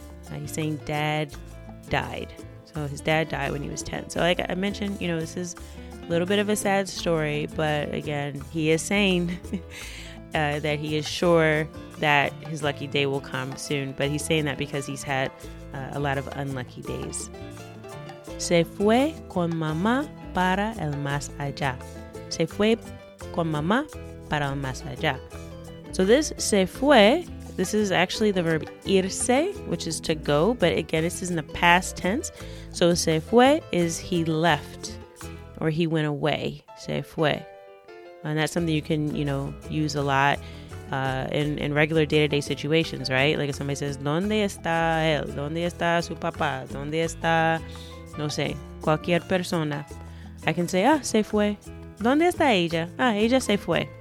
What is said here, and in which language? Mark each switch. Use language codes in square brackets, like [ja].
[en] Now he's saying dad died. So, his dad died when he was 10. So, like I mentioned, you know, this is a little bit of a sad story, but again, he is saying that he is sure that his lucky day will come soon, but he's saying that because he's had a lot of unlucky days. [es] Se fue con mamá para el más allá. Se fue con mamá para el más allá. [en] So this [es] se fue, [en] this is actually the verb irse, which is to go, but again, this is in the past tense. So [es] se fue [en] is he left or he went away. [es] Se fue. [en] And that's something you can, you know, use a lot in regular day-to-day situations, right? Like if somebody says, [es] ¿Dónde está él? ¿Dónde está su papá? ¿Dónde está, no sé, cualquier persona? [en] I can say, [es] ah, se fue. ¿Dónde está ella? Ah, ella se fue.